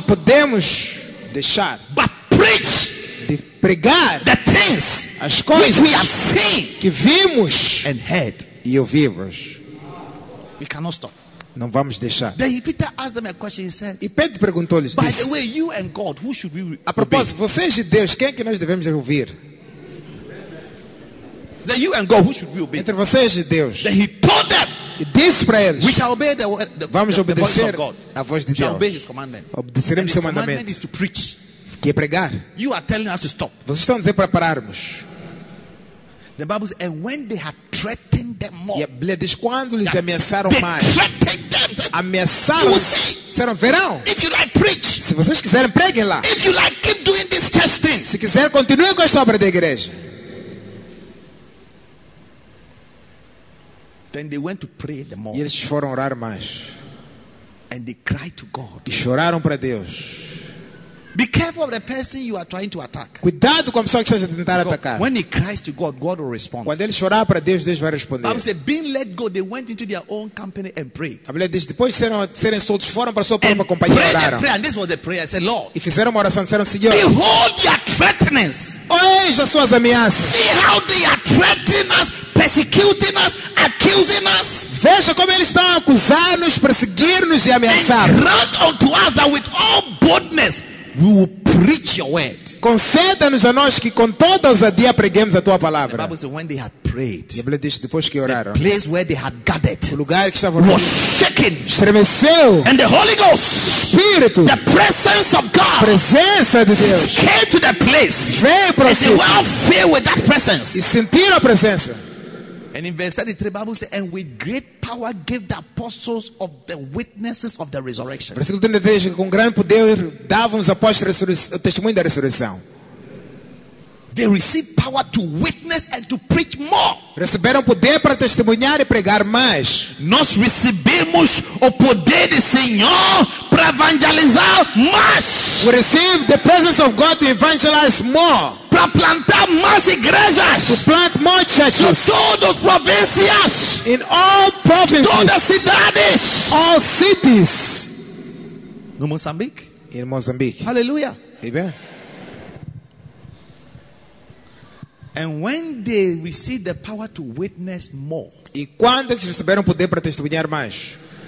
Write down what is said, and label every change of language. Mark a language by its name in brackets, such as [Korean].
[Portuguese] Não podemos deixar. [English] But preach. [Portuguese] De pregar. [English] The things. [Portuguese] As coisas. [English] Which we have seen. [Portuguese] Que vimos. [English] And heard. [Portuguese] E ouvimos. [English] We cannot stop. [Portuguese] Não vamos deixar. [English] Then Peter asked them a question. He said. [Portuguese] E Pedro perguntou-lhes [English] By the way, you and God, who should we obey? [Portuguese] A propósito, vocês e Deus, quem é que nós devemos ouvir? [English] Then you and God, who should we obey? [Portuguese] Entre vocês e Deus. [English] Then he told them. [Portuguese] E disse para eles. [English] We shall obey the [Portuguese] vamos obedecer [English] the voice of God. [Portuguese] A voz de [English] we [Portuguese] Deus. [English] Obey his commandment. [Portuguese] Obedeceremos seu mandamento. [English] Commandment is to preach. [Portuguese] Que é pregar. [English] You are telling us to stop. [Portuguese] Vocês estão a dizer para pararmos. [English] The Bible says, and when they had threatened them more. [Portuguese] E Bíblia diz quando eles ameaçaram mais. Ameaçaram, verão. [English] If you like preach, [Portuguese] se vocês quiserem, preguem lá. [English] If you like, keep doing this church thing. [Portuguese] Se quiser, continue com esta obra da igreja. [English] Then they went to pray the more. [Portuguese] E eles foram orar mais. [English] And they cried to God. [Portuguese] E choraram para Deus. [English] Be careful of the person you are trying to attack. [Portuguese] Cuidado com a pessoa que está a tentar atacar. [English] When he cries to God, God will respond. [Portuguese] Quando ele chorar para Deus, Deus vai responder. [English] Bible says, being let go, they went into their own company and prayed. [Portuguese] A Bíblia diz, depois de serem soltos, foram para a sua própria companhia [English] and [Portuguese] oraram. [English] Prayed, and this was the prayer. I said, Lord. [Portuguese] E fizeram uma oração, disseram, Senhor. [English] Behold your threatenings. [Portuguese] Oeja as suas ameaças. [English] See how they are threatening us, persecuting us, accusing us. [Portuguese] Veja como eles estão a acusar-nos, perseguir-nos e ameaçar. [English] Grant unto us that with all boldness we will preach your word. [Portuguese] Conceda-nos a nós que com toda ousadia preguemos a tua palavra. [English] The Bible says, when they had prayed, [Portuguese] e a Bíblia diz, depois que oraram, [English] the place where they had gathered, [Portuguese] o lugar que estava [English] was shaken, [Portuguese] estremeceu, [English] and the Holy Ghost, [Portuguese] Espírito, [English] the presence of God, [Portuguese] presença de Deus, [English] came to the place, [Portuguese] veio para o [English] sítio, and they were filled with that presence, [Portuguese] e sentiram a presença. [English] And in verse 33, the Bible says, and with great power gave the apostles of the witnesses of the resurrection. [Portuguese] Versículo 33, com grande poder davam os apóstolos o testemunho da ressurreição. [English] They received power to witness and to preach more. [Portuguese] Receberam poder para testemunhar e pregar mais. Nós recebemos o poder do Senhor para evangelizar mais. [English] We receive the presence of God to evangelize more. [Portuguese] Para plantar mais igrejas. [English] To plant more churches. [Portuguese] To todas as províncias. [English] In all provinces. [Portuguese] Todas as cidades. [English] All cities. [Portuguese] No Moçambique. [English] In Mozambique. Hallelujah. Amen. And when they received the power to witness more. [Portuguese] E quando eles receberam poder para testemunhar mais.